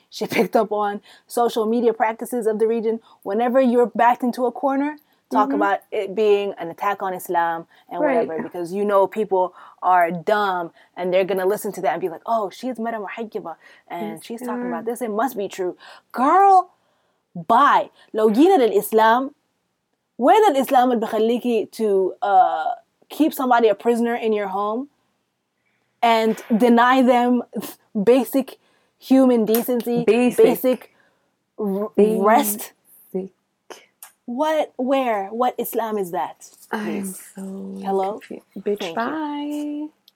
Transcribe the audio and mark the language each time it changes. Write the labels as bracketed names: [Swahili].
[English] She picked up on social media practices of the region. Whenever you're backed into a corner, talk about it being an attack on Islam and whatever, because you know people are dumb and they're going to listen to that and be like, oh, she's Madam Muhajiba and she's talking about this. It must be true. Girl, bye. [Arabic] لو جينا للإسلام, وين الإسلام اللي بخليكي [English] to... keep somebody a prisoner in your home and deny them basic human decency, basic rest. What Islam is that? Hello? Confused. Bitch, thank bye. You.